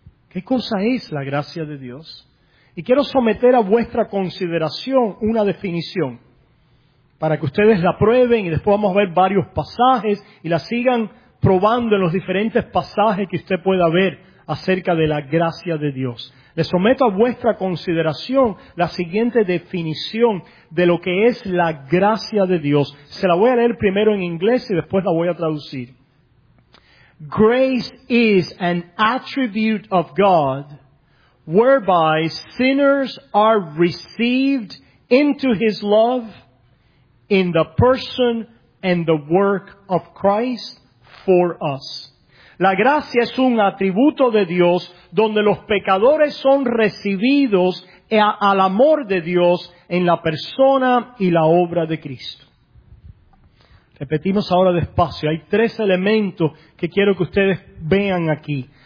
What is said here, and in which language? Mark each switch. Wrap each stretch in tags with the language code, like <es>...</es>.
<es>¿Qué cosa es la gracia de Dios? Y quiero someter a vuestra consideración una definición para que ustedes la prueben y después vamos a ver varios pasajes y la sigan probando en los diferentes pasajes que usted pueda ver acerca de la gracia de Dios. Les someto a vuestra consideración la siguiente definición de lo que es la gracia de Dios. Se la voy a leer primero en inglés y después la voy a traducir.</es> <en>Grace is an attribute of God whereby sinners are received into His love in the person and the work of Christ for us.</en> <es>La gracia es un atributo de Dios donde los pecadores son recibidos al amor de Dios en la persona y la obra de Cristo. Repetimos ahora despacio. Hay tres elementos que quiero que ustedes vean aquí.</es>